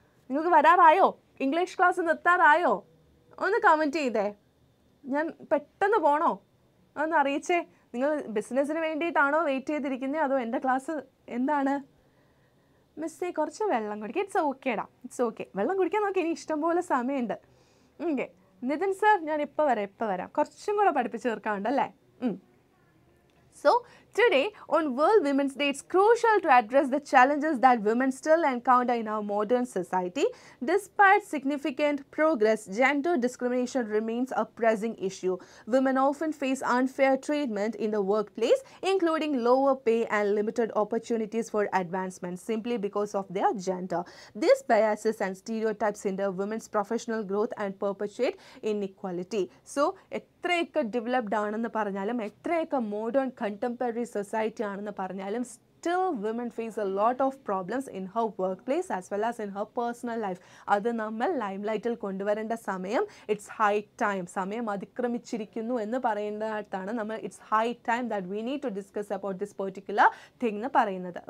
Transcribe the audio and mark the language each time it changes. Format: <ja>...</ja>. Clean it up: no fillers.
<ml>നിങ്ങൾക്ക് വരാറായോ, English class നിർത്താറായോ, ഒന്ന് comment ചെയ്തേ, ഞാൻ പെട്ടെന്ന് പോകണോ ഒന്ന് അറിയിച്ചേ. നിങ്ങൾ ബിസിനസ്സിന് വേണ്ടിയിട്ടാണോ വെയിറ്റ് ചെയ്തിരിക്കുന്നത്, അതോ എൻ്റെ ക്ലാസ് എന്താണ് മിസ്സേ? കുറച്ച് വെള്ളം കുടിക്കുക.</ml> <en>It's ഓക്കേടാ, it's okay.</en> <ml>വെള്ളം കുടിക്കാൻ നമുക്ക് ഇനി ഇഷ്ടംപോലെ സമയമുണ്ട്. ഓക്കെ നിതിൻ സർ, ഞാൻ ഇപ്പോൾ വരാം, ഇപ്പോൾ വരാം. കുറച്ചും കൂടെ പഠിപ്പിച്ച് തീർക്കാനുണ്ടല്ലേ.</ml> <en>So today on World Women's Day, it's crucial to address the challenges that women still encounter in our modern society. Despite significant progress, gender discrimination remains a pressing issue. Women often face unfair treatment in the workplace, including lower pay and limited opportunities for advancement simply because of their gender. These biases and stereotypes hinder women's professional growth and perpetuate inequality. So</en> <ml>എത്രയൊക്കെ developed ആണെന്ന് പറഞ്ഞാലും,</ml> <en>എത്രയൊക്കെ modern contemporary society ആണെന്ന് പറഞ്ഞാലും, still women face a lot of problems in her work place as well as in her personal life.</en> <ml>അത് നമ്മൾ lime ലൈറ്റിൽ കൊണ്ടുവരേണ്ട സമയം,</ml> <en>It's high time.</en> <ml>സമയം അതിക്രമിച്ചിരിക്കുന്നു എന്ന് പറയുന്നതാണ് നമ്മൾ</ml> <en>it's high time that we need to discuss about this particular thing</en> <ml>എന്ന് പറയുന്നത്.</ml>